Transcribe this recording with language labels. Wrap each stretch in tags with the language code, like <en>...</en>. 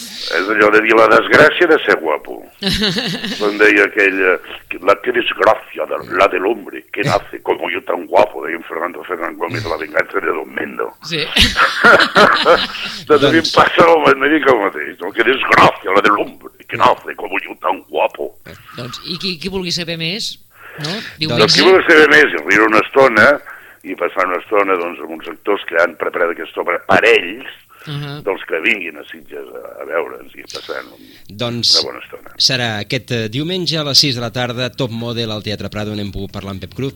<ca>És allò de dir la desgràcia de ser guapo. Quan deia aquella...</ca> <es>La que desgracia, la de l'hombre, que nace como yo tan guapo,</es> <ca>deia en</ca> <es>Fernando Fernández Gómez, la venganza de Don Mendo.</es> <ca>Sí. Doncs a mi em passa una mica el mateix.</ca> <es>La que desgracia, la de l'hombre, que nace como yo tan guapo.</es> <ca>Doncs, i qui vulgui saber més, no? Doncs qui vulgui saber més, riure una estona, i passar una estona doncs, amb uns actors que han preparat aquesta obra per ells, dels que vinguin a Sitges a veure'ns i passant doncs, una bona estona. Serà aquest diumenge a les 6 de la tarda, Top Model al Teatre Prado, on hem pogut parlar amb Pep Cruz.</ca>